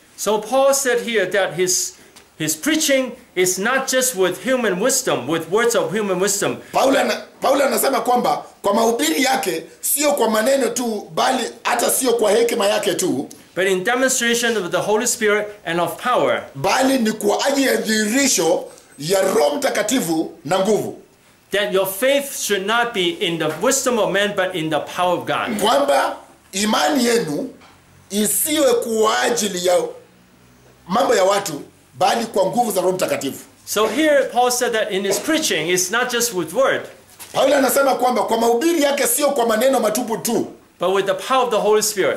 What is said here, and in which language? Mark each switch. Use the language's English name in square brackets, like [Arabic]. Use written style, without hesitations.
[English] So Paul said here that his preaching is not just with human wisdom, with words of human wisdom. [Swahili] Paul anasema kwamba kwa mahubiri yake sio kwa maneno tu, bali hata sio kwa hekima yake tu, [English] but in demonstration of the Holy Spirit and of power. [Swahili] Bali ni kwa ajili ya dhihirisho ya Roho Mtakatifu na nguvu. [English] That your faith should not be in the wisdom of man, but in the power of God. [Swahili] Kwamba imani yenu isiwe kwa ajili ya mambo ya watu, bali kwa nguvu za Roho Mtakatifu. [English] So here Paul said that in his preaching it's not just with word. [Swahili] Paul anasema kwamba kwa mahubiri yake sio kwa maneno matupu tu, [English] but with the power of the Holy Spirit.